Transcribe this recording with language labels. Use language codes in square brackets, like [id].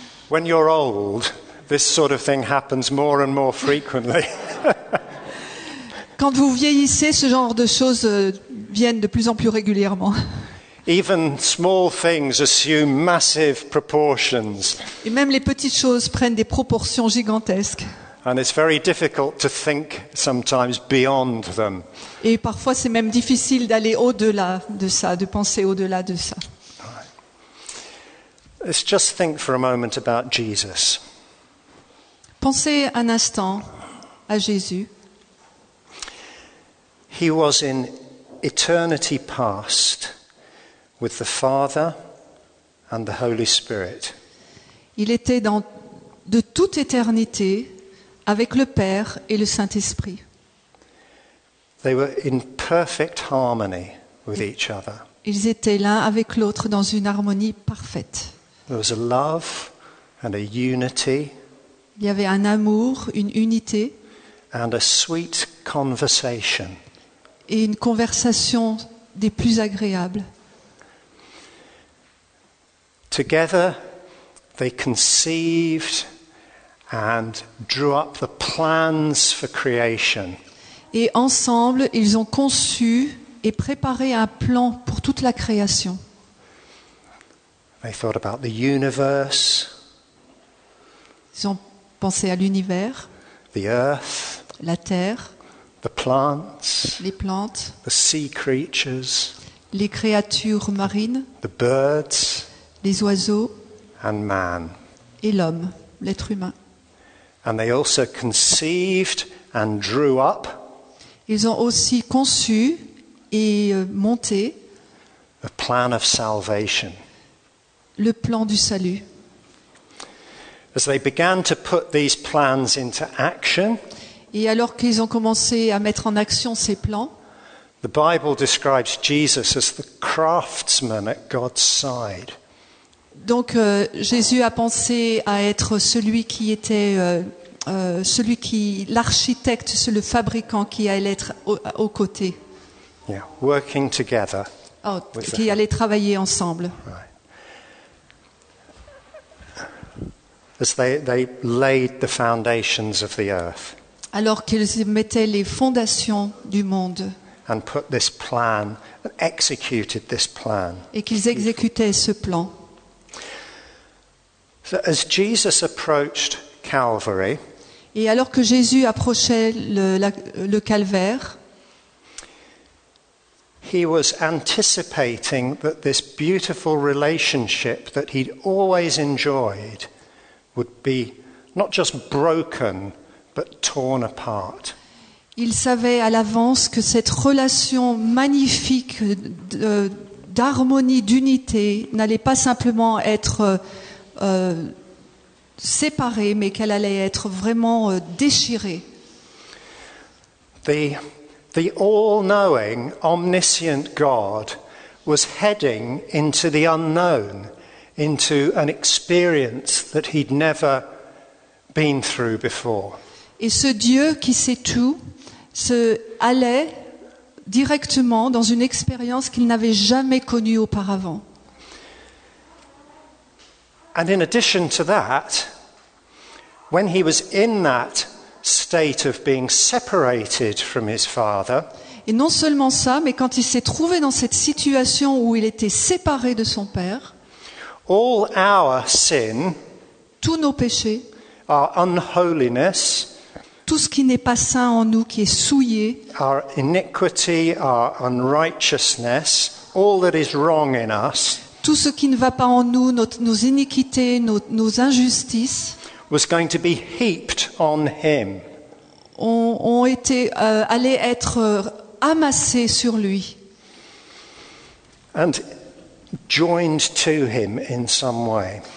[en] When you're old, this sort of thing happens more and more frequently. [fr] Quand vous vieillissez, ce genre de choses viennent de plus en plus régulièrement. [en] Even small things assume massive proportions. [fr] Et même les petites choses prennent des proportions gigantesques. [en] And it's very difficult to think sometimes beyond them. [fr] Et parfois c'est même difficile d'aller au-delà de ça, de penser au-delà de ça. [en] Let's just think for a moment about Jesus. [fr] Pensez un instant à Jésus. [en] He was in eternity past with the Father and the Holy Spirit. [fr] Il était dans de toute éternité avec le Père et le Saint-Esprit. [en] They were in perfect harmony with each other. [fr] Ils étaient l'un avec l'autre dans une harmonie parfaite. [en] There was a love and a unity. [fr] Il y avait un amour, une unité. [en] And a sweet conversation. [fr] Et une conversation des plus agréables. [en] Together, they conceived and drew up the plans for creation. [fr] Et ensemble, ils ont conçu et préparé un plan pour toute la création. [en] They thought about the universe. [fr] Ils ont pensé à l'univers. [en] The earth. [fr] La terre. [en] The plants. [fr] Les plantes. [en] The sea creatures. [fr] Les créatures marines. [en] The birds. [fr] Les oiseaux [en] and man. [fr] Et l'homme, l'être humain. [en] And they also conceived and drew up. [fr] Ils ont aussi conçu et monté [en] a plan of salvation. [fr] Le plan du salut. [en] As they began to put these plans into action, [fr] et alors qu'ils ont commencé à mettre en action ces plans, [en] the Bible describes Jesus as the craftsman at God's side. [fr] Donc Jésus a pensé à être celui qui était celui qui l'architecte, le fabricant qui allait être aux côtés. [en] Yeah, working together. [fr] Oh, qui allait travailler ensemble. [en] Right. As they laid the foundations of the earth. [fr] Alors qu'ils mettaient les fondations du monde. [en] And put this plan, executed this plan. [fr] Et qu'ils exécutaient ce plan. [en] So as Jesus approached Calvary, [fr] et alors que Jésus approchait le calvaire, [en] he was anticipating that this beautiful relationship that he'd always enjoyed would be not just broken but torn apart. [fr] Il savait à l'avance que cette relation magnifique d'harmonie, d'unité n'allait pas simplement être séparée, mais qu'elle allait être vraiment déchirée. [en] The all-knowing, omniscient God was heading into the unknown, into an experience that he'd never been through before. [fr] Et ce Dieu qui sait tout se allait directement dans une expérience qu'il n'avait jamais connue auparavant. [en] And in addition to that, when he was in that state of being separated from his father, [fr] et non seulement ça, mais quand il s'est trouvé dans cette situation où il était séparé de son père, [en] all our sin, [fr] tous nos péchés, [en] our unholiness, [fr] tout ce qui n'est pas saint en nous, qui est souillé, [en] our iniquity, our unrighteousness, all that is wrong in us, [fr] tout ce qui ne va pas en nous, nos iniquités, nos injustices, [en] was going to be heaped on him. [fr] Allaient être amassés sur lui. [en] And joined to him in some way.